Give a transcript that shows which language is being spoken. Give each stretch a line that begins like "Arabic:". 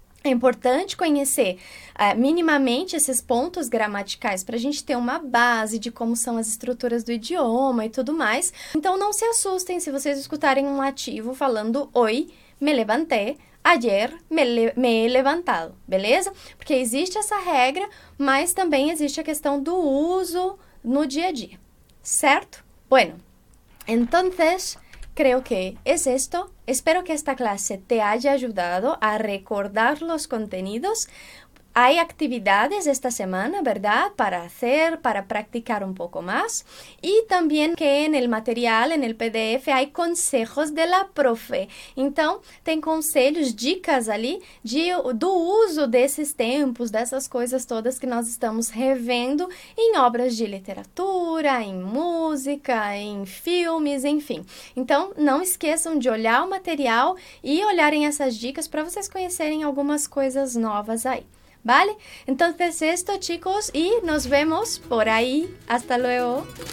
Portuguese: É importante conhecer minimamente esses pontos gramaticais para a gente ter uma base de como são as estruturas do idioma e tudo mais. Então, não se assustem se vocês escutarem um nativo falando oi,
Spanish: me levanté, ayer me levantado,
Portuguese: beleza? Porque existe essa regra, mas também existe a questão do uso no dia a dia, certo?
Spanish: Bueno, entonces, creo que es esto. Espero que esta clase te haya ayudado a recordar los contenidos. Hay actividades esta semana, ¿verdad? Para hacer, para practicar un poco más. Y también que en el material, en el PDF, hay consejos de la profe.
Portuguese: Então, tem conselhos, dicas ali do uso desses tempos, dessas coisas todas que nós estamos revendo em obras de literatura, em música, em filmes, enfim. Então, não esqueçam de olhar o material e olharem essas dicas para vocês conhecerem algumas coisas novas aí.
Spanish: ¿Vale? Entonces esto, chicos, y nos vemos por ahí. Hasta luego.